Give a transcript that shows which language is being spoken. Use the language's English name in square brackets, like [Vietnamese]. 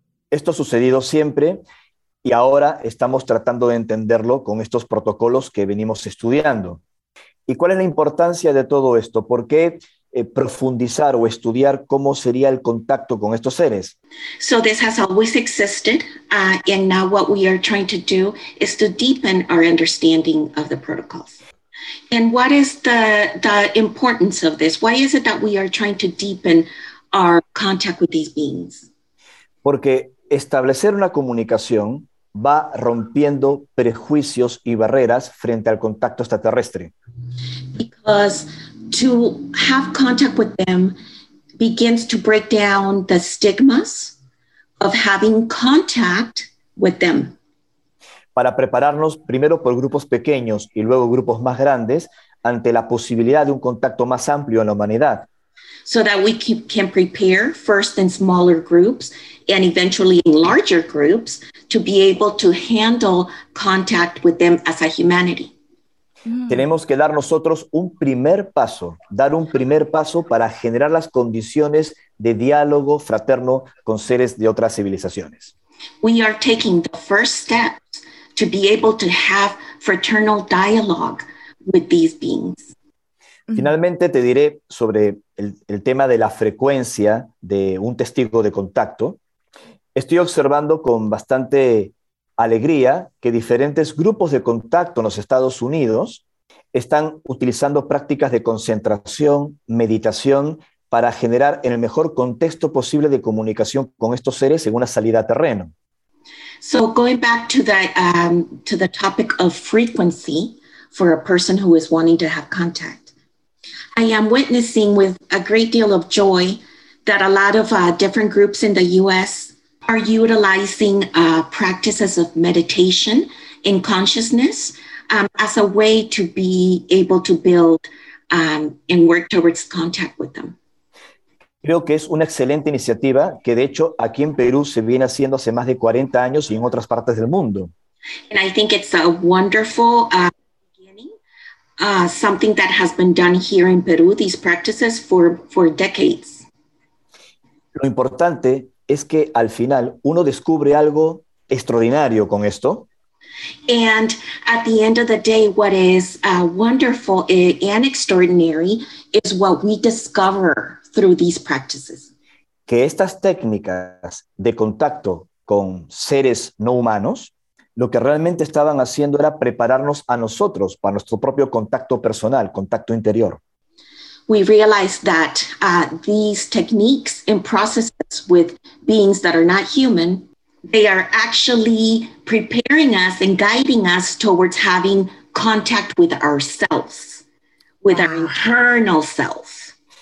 [Spanish] Esto ha sucedido siempre y ahora estamos tratando de entenderlo con estos protocolos que venimos estudiando. ¿Y cuál es la importancia de todo esto? ¿Por qué profundizar o estudiar cómo sería el contacto con estos seres? [English] So this has always existed, and now what we are trying to do is to deepen our understanding of the protocols. And what is the importance of this? Why is it that we are trying to deepen our contact with these beings? [Spanish] Porque establecer una comunicación va rompiendo prejuicios y barreras frente al contacto extraterrestre. [English] Because to have contact with them begins to break down the stigmas of having contact with them. [Spanish] Para prepararnos primero por grupos pequeños y luego grupos más grandes ante la posibilidad de un contacto más amplio en la humanidad. [English] So that we can prepare first in smaller groups and eventually in larger groups to be able to handle contact with them as a humanity. [Spanish] Tenemos que dar nosotros un primer paso, dar un primer paso para generar las condiciones de diálogo fraterno con seres de otras civilizaciones. [English] We are taking the first steps to be able to have fraternal dialogue with these beings. [Spanish] Finalmente te diré sobre el tema de la frecuencia de un testigo de contacto. Estoy observando con bastante alegría que diferentes grupos de contacto en los Estados Unidos están utilizando prácticas de concentración, meditación, para generar en el mejor contexto posible de comunicación con estos seres en una salida a terreno. [English] So going back to the topic of frequency for a person who is wanting to have contact, I am witnessing with a great deal of joy that a lot of different groups in the U.S. are utilizing practices of meditation and consciousness as a way to be able to build and work towards contact with them. [Spanish] Creo que es una excelente iniciativa que, de hecho, aquí en Perú se viene haciendo hace más de 40 años y en otras partes del mundo. [English] And I think it's a wonderful beginning, something that has been done here in Peru, these practices for decades. [Spanish] Lo importante es que al final uno descubre algo extraordinario con esto. [English] And at the end of the day, what is wonderful and extraordinary is what we discover through these practices. [Spanish] Que estas técnicas de contacto con seres no humanos, lo que realmente estaban haciendo era prepararnos a nosotros para nuestro propio contacto personal, contacto interior. [English] we realized that these techniques and processes with beings that are not human, they are actually preparing us and guiding us towards having contact with ourselves, with our internal self.